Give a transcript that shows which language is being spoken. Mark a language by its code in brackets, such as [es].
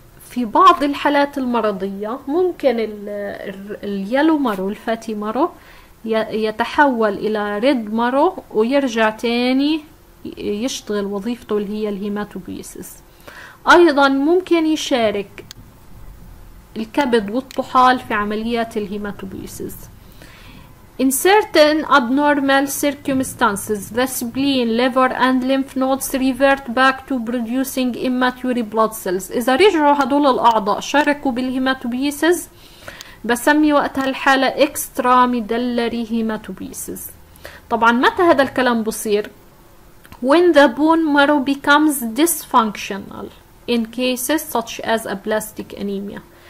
[ar] في بعض الحالات المرضية ممكن اليلو مارو الفاتي مارو يتحول إلى ريد مارو ويرجع تاني يشتغل وظيفته اللي هي الهيماتوبيسيس. أيضا ممكن يشارك الكبد والطحال في عمليات الهيماتوبيسيس. [en] In certain abnormal circumstances, the spleen, liver and lymph nodes revert back to producing immature blood cells. [ar] إذا رجعوا هدول الأعضاء شاركوا بالهيماتوبيسز بسمي وقتها الحالة extra medullary hematopoiesis. [en] طبعا متى هذا الكلام بصير؟ When the bone marrow becomes dysfunctional in cases such as a blastic anemia.